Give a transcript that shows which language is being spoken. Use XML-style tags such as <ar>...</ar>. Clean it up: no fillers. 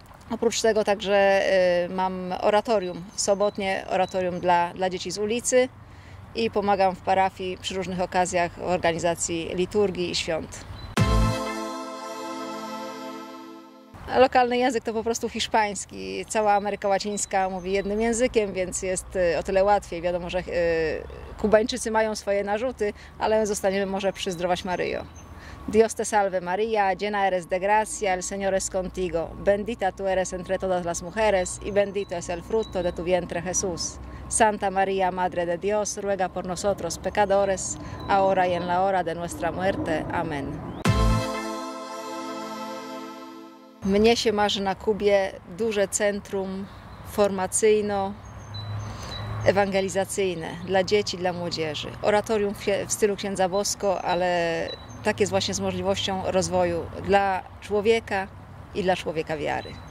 <pl>Oprócz tego także mam oratorium, sobotnie oratorium dla dzieci z ulicy i pomagam w parafii przy różnych okazjach w organizacji liturgii i świąt. Lokalny język to po prostu hiszpański. Cała Ameryka Łacińska mówi jednym językiem, więc jest o tyle łatwiej. Wiadomo, że Kubańczycy mają swoje narzuty, ale zostaniemy może przy Zdrowaś Maryjo.</pl> <es>Dios te salve Maria, llena eres de gracia, el Señor es contigo. Bendita tú eres entre todas las mujeres y bendito es el fruto de tu vientre, Jesús. Santa Maria, Madre de Dios, ruega por nosotros pecadores, ahora y en la hora de nuestra muerte. Amen.</es> <pl>Mnie się marzy na Kubie duże centrum formacyjno-ewangelizacyjne dla dzieci, dla młodzieży. Oratorium w stylu księdza Bosco, ale tak jest właśnie z możliwością rozwoju dla człowieka i dla człowieka wiary.</pl>